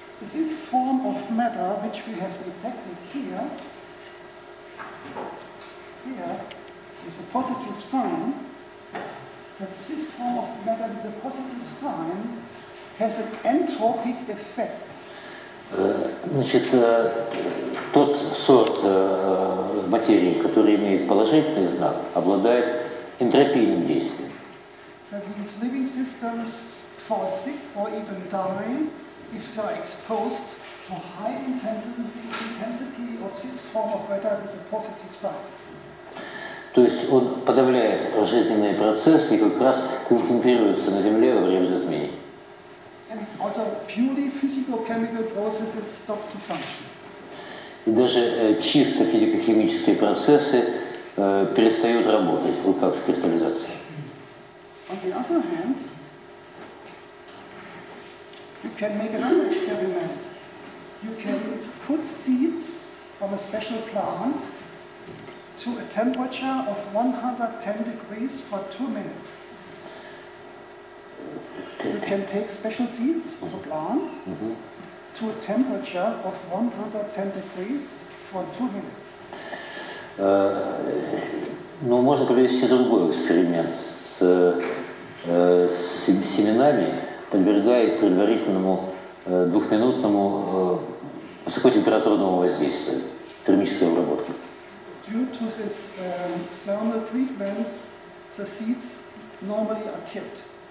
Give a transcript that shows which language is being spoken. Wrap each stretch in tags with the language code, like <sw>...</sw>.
<en>this form of matter which we have detected here, is a positive sign, that this form of matter is a positive sign, has an entropic effect.</en> <ru>Значит, тот сорт материи, который имеет положительный знак, обладает энтропийным действием.</ru> <en>That means living systems fall sick or even die if they are exposed to high intensity of this form of matter is a positive sign.</en> <ru>То есть он подавляет жизненные процессы и как раз концентрируется на Земле во время затмений.</ru> <en>Also purely physicochemical processes stop to function.</en> <ru>И даже чисто физико-химические процессы перестают работать, вот как с кристаллизацией.</ru> <en>On the other hand, you can make another experiment. You can put seeds from a special plant to a temperature of 110 degrees for 2 minutes. You can take special seeds of a plant to a temperature of 110 degrees for 2 minutes.</en> <ru>Ну, можно провести другой эксперимент с семенами, подвергая их предварительному двухминутному высокотемпературному воздействию, термической обработке.</ru> <en>Due to this thermal treatments, the seeds normally are killed.</en>